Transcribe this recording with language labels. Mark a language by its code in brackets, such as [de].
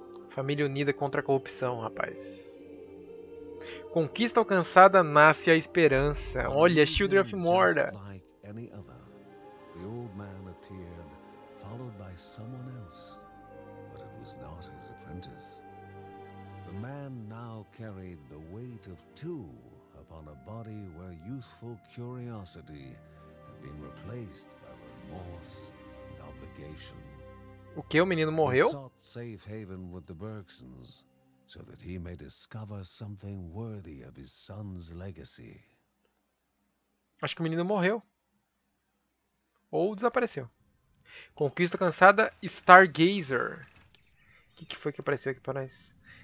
[pt] Família unida contra a corrupção, rapaz. Conquista alcançada, nasce a esperança. Olha, Children of Morta. [en] Just like any other, the old man appeared, followed by someone else. But it was not his apprentice. The man now carried the weight of two upon a body where youthful curiosity had been replaced by remorse and obligation. [pt] O que, o menino morreu? [en] He sought safe haven with the Bergsons, so that he may discover something worthy of his son's legacy. [pt] Acho que o menino morreu. Ou desapareceu. Conquista cansada, Stargazer. Que foi que apareceu aqui para nós?